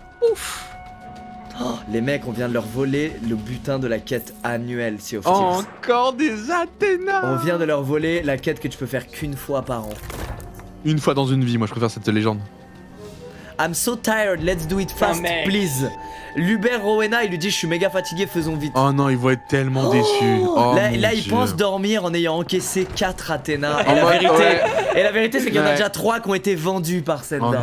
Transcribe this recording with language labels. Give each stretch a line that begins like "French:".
French: Ouf! Oh, les mecs, on vient de leur voler le butin de la quête annuelle, Sea of Thieves. Encore des Athéna! On vient de leur voler la quête que tu peux faire qu'une fois par an. Une fois dans une vie, moi je préfère cette légende.
English: I'm so tired, let's do it fast, oh, please.
French: Lubert Rowena, il lui dit je suis méga fatigué, faisons vite. Oh non, il va être tellement déçu. Oh, là, là il pense dormir en ayant encaissé 4 Athéna. Et, la vérité, et la vérité, c'est qu'il y en a déjà 3 qui ont été vendus par cette dame.